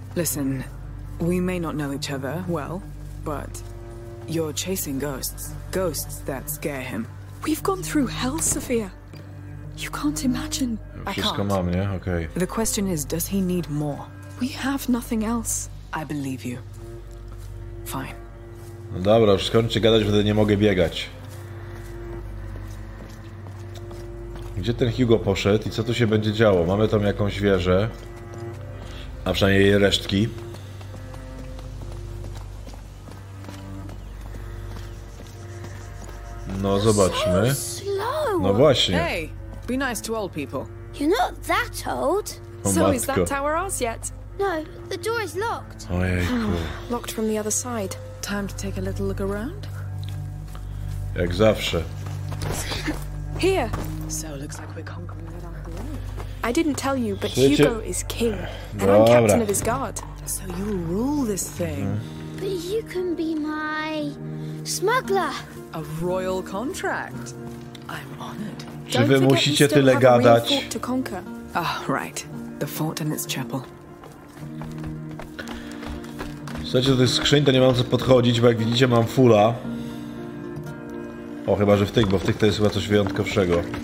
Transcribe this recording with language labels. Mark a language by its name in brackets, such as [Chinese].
[English] Listen, we may not know each other well, but you're chasing ghosts. Ghosts that scare him. We've gone through hell, Sophia. You can't imagine. [Polish] Wszystko mam, nie? Okay. [English] The question is, does he need more? We have nothing else. I believe you. Fine. [Polish] No dobra, już skończcie gadać, wtedy nie mogę biegać. Gdzie ten Hugo poszedł i co tu się będzie działo? Mamy tam jakąś wieżę. A przynajmniej jej resztki. No, zobaczmy. No właśnie. [English] Be nice to old people. You're not that old. So is that tower ours yet? No, the door is locked. Locked from the other side. Time to take a little look around. [Polish] Jak zawsze. [English] Here. So looks like we're conquering that island. I didn't tell you, but Hugo is king. [Polish] Dobra. [English] And I'm captain of his guard. So you'll rule this thing. But you can be my smuggler. A royal contract. I'm honored. [Polish] Czy wy musicie tyle gadać? [English] Right. The fort and its chapel. [Polish] Słuchajcie, do tych skrzyń to nie mam co podchodzić, bo jak widzicie, mam fulla. O, chyba że w tych, bo w tych to jest chyba coś wyjątkowszego.